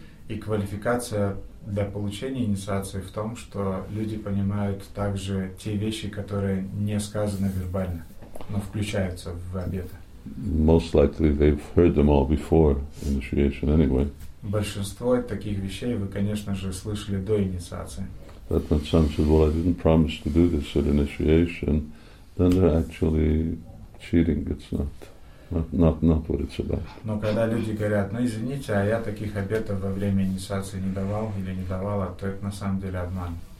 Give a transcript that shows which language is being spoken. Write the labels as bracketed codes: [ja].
[ru] И квалификация для получения инициации в том, что люди понимают также те вещи, которые не сказаны вербально, но включаются в обеты. [en] Most likely they've heard them all before initiation anyway. [ru] Большинство таких вещей вы, конечно же, слышали до инициации. [en] But when some said, well, I didn't promise to do this at initiation, then they're actually cheating. It's not what it's about. [ru] Но когда люди говорят, ну извините, а я таких обетов во время инициации не давал или не давала, то это на самом деле обман.